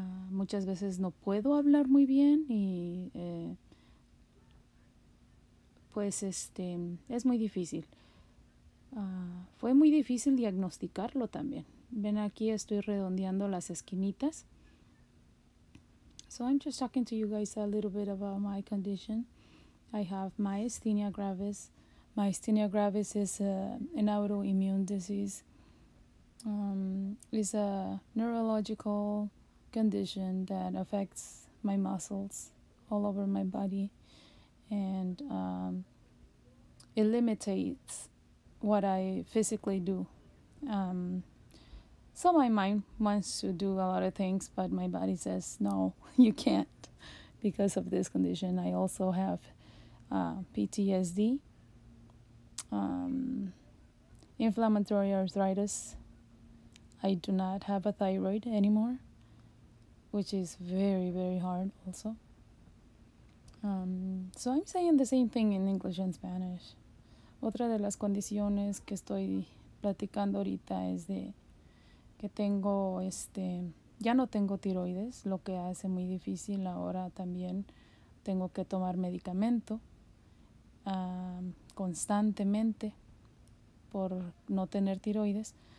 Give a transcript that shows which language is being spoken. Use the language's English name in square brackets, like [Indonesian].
[Spanish] Muchas veces no puedo hablar muy bien y pues es muy difícil. Fue muy difícil diagnosticarlo también. Ven aquí, estoy redondeando las esquinitas. [English] So I'm just talking to you guys a little bit about my condition. I have myasthenia gravis. Myasthenia gravis is an autoimmune disease. It's a neurological condition that affects my muscles all over my body. And it limitates what I physically do. So my mind wants to do a lot of things, but my body says, no, you can't because of this condition. I also have PTSD, inflammatory arthritis. I do not have a thyroid anymore, which is very, very hard also. So I'm saying the same thing in English and Spanish. [Spanish] Otra de las condiciones que estoy platicando ahorita es de que tengo, ya no tengo tiroides, lo que hace muy difícil. Ahora también tengo que tomar medicamento constantemente por no tener tiroides.